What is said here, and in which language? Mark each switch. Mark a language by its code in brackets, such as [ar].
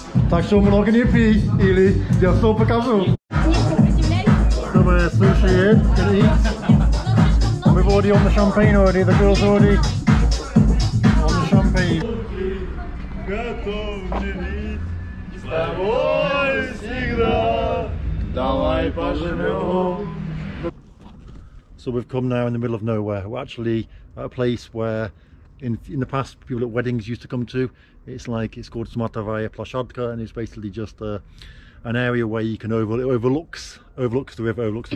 [ru] Так что много не пей, или я все покажу. Что мы слышим? [en] We've already on the champagne already, the girls already. On the champagne. [ru] Готов делить с тобой всегда. Давай поживем. [en] So we've come now in the middle of nowhere. We're actually at a place where in the past people at weddings used to come to. It's like, it's called Smatavaya Plashadka, and it's basically just an area where you can overlooks the river, overlooks the